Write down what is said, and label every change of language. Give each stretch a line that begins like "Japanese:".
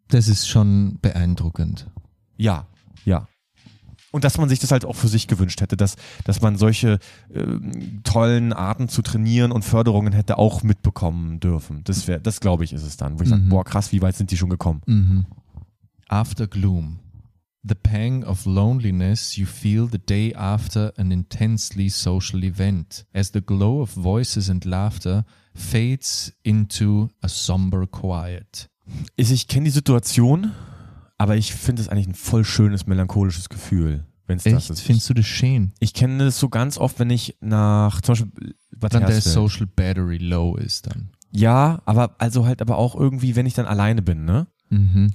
German: Das ist schon beeindruckend. Ja, ja. Und dass man sich das halt auch für sich gewünscht hätte, dass man solche tollen Arten zu trainieren und Förderungen hätte auch mitbekommen dürfen. Das glaube ich, ist es dann. Wo ich sage, boah, krass, wie weit sind die schon gekommen?
English: Mhm. After gloom. The pang of loneliness you feel the day after an intensely social event. As the glow of voices and laughter fades into a somber quiet.
German: Ich kenne die Situation. Aber ich finde es eigentlich ein voll schönes, melancholisches Gefühl, wenn es das ist. Findest du das schön? Ich kenne das so ganz oft, wenn ich nach, zum Beispiel, was dann der
English: Social Battery low
German: ist dann. Ja, aber also halt aber auch irgendwie, wenn ich dann alleine bin, ne? Mhm.